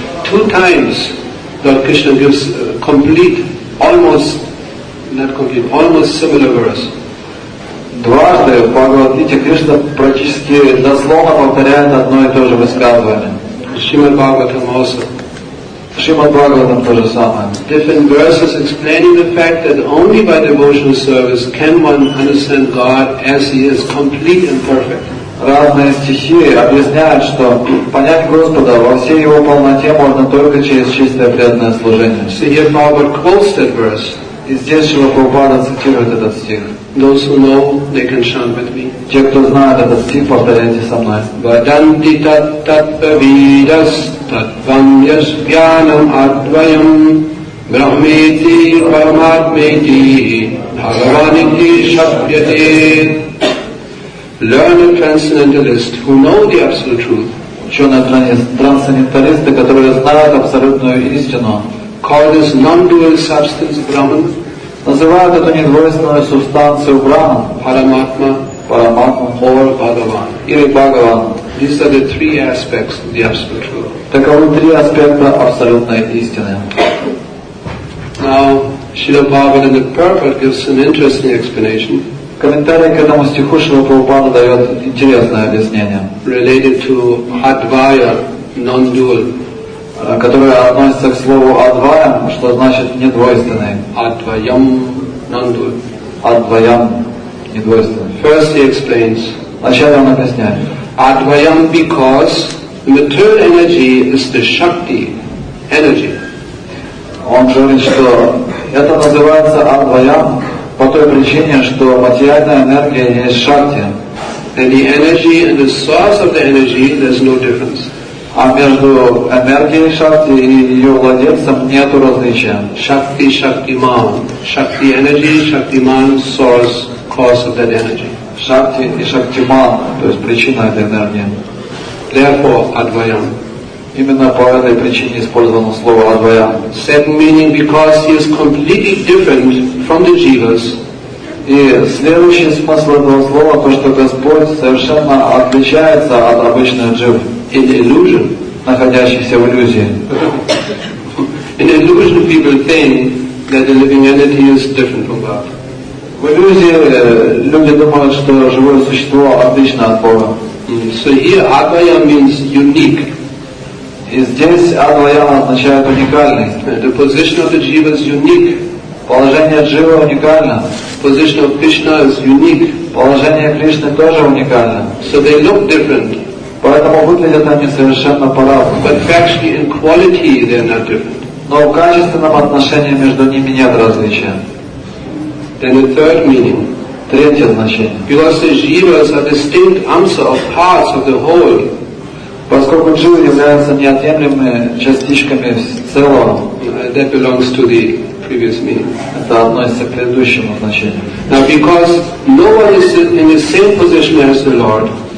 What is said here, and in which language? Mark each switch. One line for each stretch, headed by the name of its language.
English: Two times Lord Krishna gives complete, almost, not complete, almost similar verse.
Russian: Дважды в Бхагавад-гите Кришна практически дословно повторяет одно и то же высказывание.
English: Shrimad Bhagavatam also.
Russian: Shrimad Bhagavatam то же самое.
English: Different verses explaining the fact that only by devotional service can one understand God as He is complete and perfect.
Russian: Разные стихи объясняют, что понять Господа во всей Его полноте можно только через чистое преданное служение.
English: So here Bhagavad quotes that verse.
Russian: И здесь Шрила Прабхупада цитирует этот стих.
English: Those who know, they can chant with me.
Russian: Те, кто знает этот стих, повторяйте со мной.
Sanskrit: Vadanti tat tat vidas tat vanyas jnanam advayam brahmeti paramatmeti bhagavaniti shakyate.
English: Learned transcendentalists who know the absolute truth,
Russian: ученые-трансценденталисты, которые знают абсолютную истину,
English: call this non-dual substance Brahman,
Russian: называют эту недвойственную субстанцию Брахман, Параматма, Параматма,
English: or Бхагаван,
Russian: или Бхагаван.
English: These are the three aspects of the absolute truth.
Russian: Таковы три аспекта абсолютной истины.
English: Now, Śrīla Prabhupāda in the purport gives an interesting explanation.
Russian: Комментарий к этому стиху Шрила Прабхупада дает интересное объяснение.
English: Related to Advaya, non-dual.
Russian: Которое относится к слову «адвая», что значит «недвойственное». «Адвайам нандур». «Адвайам» – «недвойственное».
English: First he explains.
Russian: Вначале он объясняет.
English: «Адвайам» – because material energy is the Shakti energy.
Russian: Он говорит, что это называется «адвайам» по той причине, что материальная энергия есть Шакти.
English: And the energy and the source of the energy, there's no difference.
Russian: А между энергией Шакти и ее владельцем нет различия.
English: Шакти, Шактиман. Шакти энерги, Шактиман, source, cause of that energy.
Russian: Шакти и Шактиман, то есть причина этой энергии.
English: Therefore, Адвайам.
Russian: Именно по этой причине использовано слово Адвайам.
English: Said meaning because he is completely different from the Jivas.
Russian: И следующий смысл этого слова, то что Господь совершенно отличается от обычных джив.
English: In illusion,
Russian: находящихся в иллюзии.
English: In illusion, people think that the living entity is different from God.
Russian: В иллюзии люди думают, что живое существо отлично от Бога.
English: So here, Advaya means unique.
Russian: И здесь Advaya означает уникальный.
English: The position of the jiva is unique.
Russian: Положение джива уникально.
English: Position of Krishna is unique.
Russian: Положение Кришны тоже уникально.
English: So they look different.
Russian: Поэтому выглядят они совершенно по-разному.
English: But actually in quality they are not different.
Russian: Но в качественном отношении между ними нет различия.
English: Then the third meaning.
Russian: Третье значение.
English: Because the jivas are distinct amsa of parts of the whole.
Russian: Поскольку джива являются неотъемлемыми частичками целого.
English: That belongs to the previous meaning.
Russian: Это относится к предыдущему значению.
English: Now because no one is in the same position as the Lord.